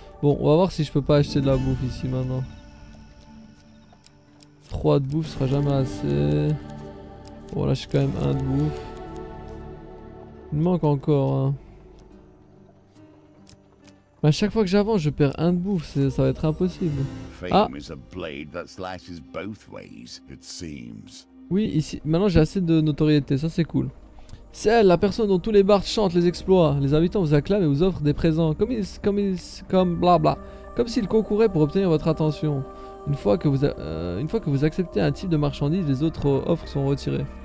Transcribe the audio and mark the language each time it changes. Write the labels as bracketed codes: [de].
[fr] Bon, on va voir si je peux pas acheter de la bouffe ici maintenant. 3 de bouffe, ce sera jamais assez. Bon, là, j'ai quand même 1 de bouffe. Il me manque encore, hein. Mais à chaque fois que j'avance, je perds 1 de bouffe, ça va être impossible. [en] Fame is a blade that slashes both ways, it seems. [fr] Oui, ici. Maintenant, j'ai assez de notoriété. Ça, c'est cool. C'est elle, la personne dont tous les bards chantent les exploits. Les habitants vous acclament et vous offrent des présents. Comme s'ils concouraient pour obtenir votre attention. Une fois que vous acceptez un type de marchandise, les autres offres sont retirées.